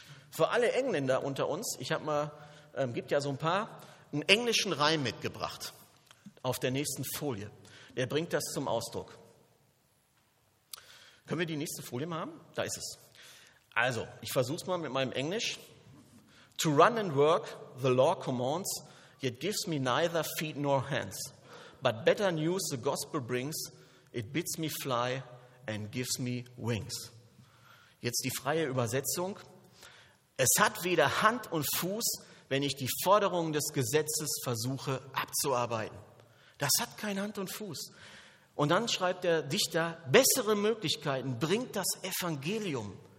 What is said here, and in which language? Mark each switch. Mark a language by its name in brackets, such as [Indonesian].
[German] Für alle Engländer unter uns, ich habe mal, gibt ja so ein paar, einen englischen Reim mitgebracht auf der nächsten Folie. Der bringt das zum Ausdruck. Können wir die nächste Folie mal haben? Da ist es. Also, ich versuche es mal mit meinem Englisch. [English] To run and work, the law commands, yet gives me neither feet nor hands. But better news the gospel brings, it bids me fly and gives me wings. [German] Jetzt die freie Übersetzung. Es hat weder Hand und Fuß, wenn ich die Forderungen des Gesetzes versuche abzuarbeiten. Das hat keine Hand und Fuß. Und dann schreibt der Dichter, bessere Möglichkeiten bringt das Evangelium.